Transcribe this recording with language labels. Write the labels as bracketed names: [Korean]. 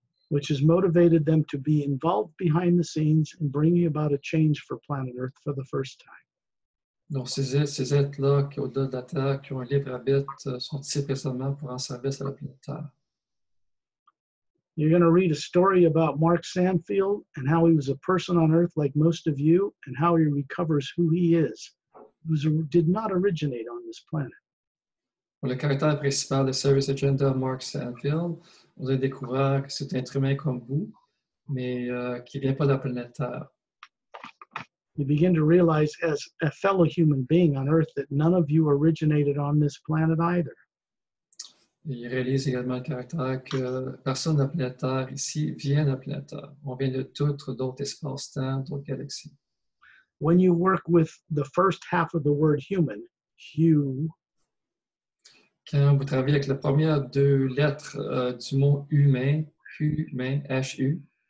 [English] Which has motivated them to be involved behind the scenes and bringing about a change for planet Earth for the first time. [French] Donc, ces êtres-là qui sont au-delà de la Terre, qui ont un libre arbitre, sont ici présentement pour en service à la planète Terre. [English] You're going to read a story about Mark Sandfield and how he was a person on Earth like most of you and how he recovers who he is. He did not originate on this planet. [French] Le caractère principal de Service Agenda, Mark Sandfield, vous allez découvrir que c'est un être humain comme vous, mais qui ne vient pas de la planète Terre. [English] You begin to realize as a fellow human being on Earth that none of you originated on this planet either. [French] Il réalise également le caractère que personne de la planète Terre ici vient de la planète Terre. On vient de tout d'autres espaces-temps, d'autres galaxies. [English] When you work with the first half of the word human, hue. [French] Quand vous travaillez avec la première deux lettres du mot humain, humain, H-U.